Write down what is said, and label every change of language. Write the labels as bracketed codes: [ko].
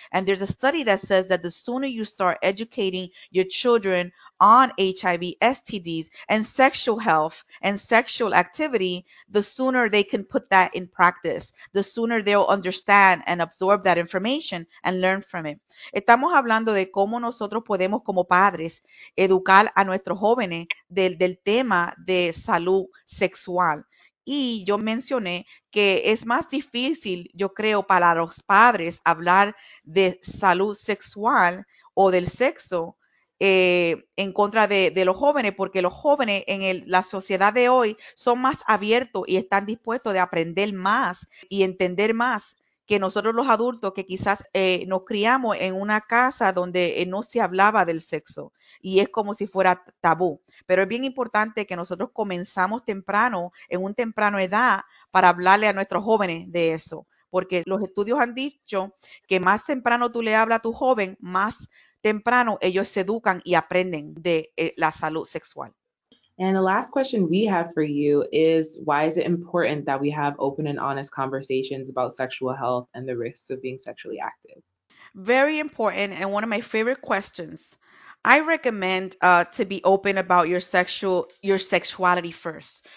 [en] And there's a study that says that the sooner you start educating your children on HIV, STDs, and sexual health and sexual activity, the sooner they can put that in practice, the sooner they'll understand and absorb that information and learn from it. [es] Estamos hablando de cómo nosotros podemos, como padres, educar a nuestros jóvenes del tema de salud sexual. Y yo mencioné que es más difícil, yo creo, para los padres hablar de salud sexual o del sexo en contra de los jóvenes, porque los jóvenes en la sociedad de hoy son más abiertos y están dispuestos de aprender más y entender más que nosotros los adultos que quizás nos criamos en una casa donde no se hablaba del sexo y es como si fuera tabú. Pero es bien importante que nosotros comenzamos temprano, en un temprano edad, para hablarle a nuestros jóvenes de eso, porque los estudios han dicho que más temprano tú le hablas a tu joven, más temprano ellos se educan y aprenden de la salud sexual. [en] And the last question we have for you is, why is it important that we have open and honest conversations about sexual health and the risks of being sexually active? Very important and one of my favorite questions. I recommend to be open about your sexuality first.